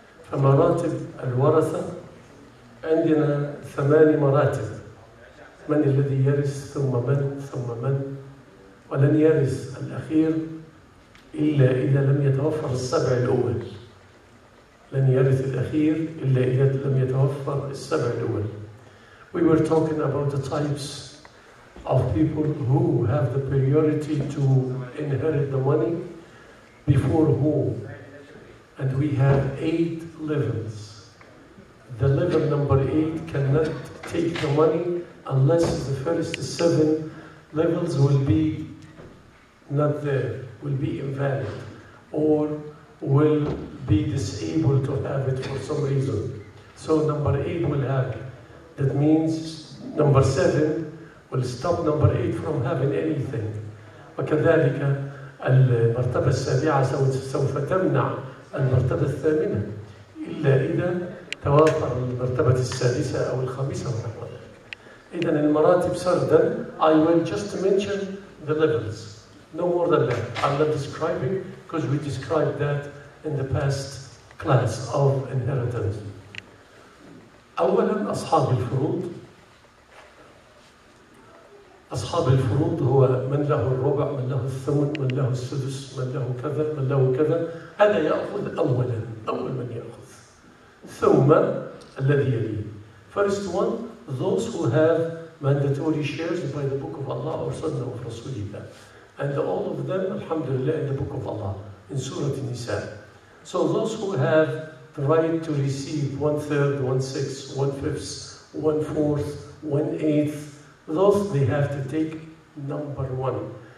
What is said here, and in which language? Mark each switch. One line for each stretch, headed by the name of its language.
Arabic: فمراتب الورثة عندنا 8 مراتب، من الذي يرث ثم من ثم من، ولن يرث الأخير إلا إذا لم يتوفر 7 الأول، لن يرث الأخير إلا إذا لم يتوفر 7 الأول.
English: We were talking about the types of people who have the priority to inherit the money before whom. And we have 8 levels. The level number 8 cannot take the money unless the first 7 levels will be not there, will be invalid, or will be disabled to have it for some reason. So number 8 will have it. That means number 7 will stop number 8 from having anything.
Arabic: وكذلك المرتبة 7 سوف تمنع المرتبة 8 إلا إذا توافر المرتبة 6 أو 5 ونحو ذلك. إذا المراتب سردا.
English: I will just mention the levels. No more than that. I'm not describing because we described that in the past class of inheritance.
Arabic: أولا أصحاب الفروض. أصحاب الفروض هو من له الربع، من له الثمن، من له السدس، من له كذا، من له كذا. هذا يأخذ أولا، أول من يأخذ، ثم الذي يليه.
English: First one, those who have mandatory shares by the book of Allah or Sunnah of Rasulullah. And all of them, alhamdulillah, in the book of Allah, in Surah Nisa. So those who have the right to receive 1/3, 1/6, 1/5, 1/4, 1/8, those they have to take number one.